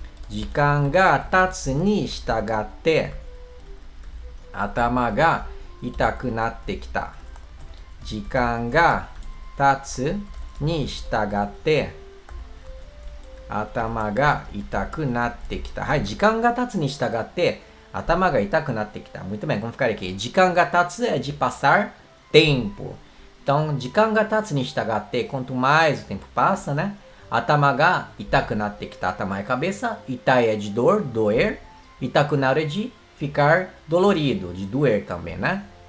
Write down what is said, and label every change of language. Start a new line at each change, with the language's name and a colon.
Japanese: Jikan ga tatsu ni shitagatte atama ga itaku natte kita. Jikan ga tatsu ni shitagatte頭が痛くなってきた。時間が経つに従って頭が痛くなってきた。
Portuguese: Muito bem, como ficaria aqui?
Japanese: 時間が経つ
Portuguese: é de passar tempo. Então,
Japanese: 時間が経つに従って
Portuguese: quanto mais o tempo passa, né?
Japanese: 頭が痛くなってきた。
Portuguese: 頭é cabeça, 痛いで dor, doer. 痛くなる é de ficar dolorido, de doer também, né?